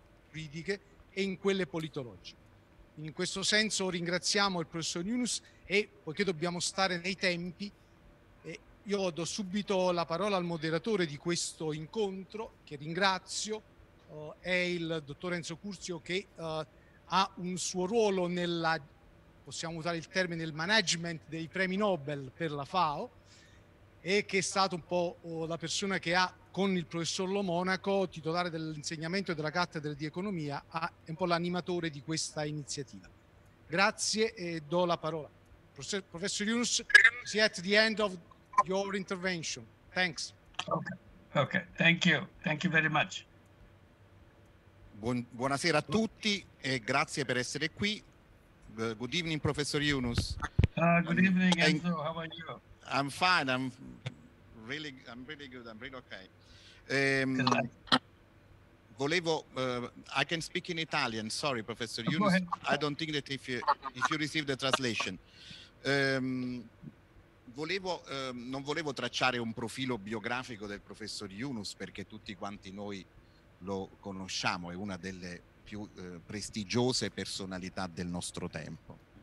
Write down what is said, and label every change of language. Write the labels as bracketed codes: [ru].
[it] Critiche e in quelle politologiche. In questo senso ringraziamo il professor Yunus e poiché dobbiamo stare nei tempi, io do subito la parola al moderatore di questo incontro, che ringrazio, è il dottor Enzo Curzio che ha un suo ruolo nella, possiamo usare il termine, nel management dei premi Nobel per la FAO e che è stato un po' la persona che ha con il professor Lo Monaco, titolare dell'insegnamento della cattedra di economia, è un po' l'animatore di questa iniziativa. Grazie e do la parola. [en] Professor Yunus, see at the end of your intervention. Thanks. Okay. Thank you very much. [it] Buonasera a tutti e grazie per essere qui. [en] Good evening, Professor Yunus. Good evening, Enzo. How are you? I'm fine. I'm really good. I'm really okay. I can speak in Italian. Sorry, Professor Yunus. I don't think that if you receive the translation. [it] Non volevo tracciare un profilo biografico del Professor Yunus perché tutti quanti noi lo conosciamo, è una delle più prestigiose personalità del nostro tempo.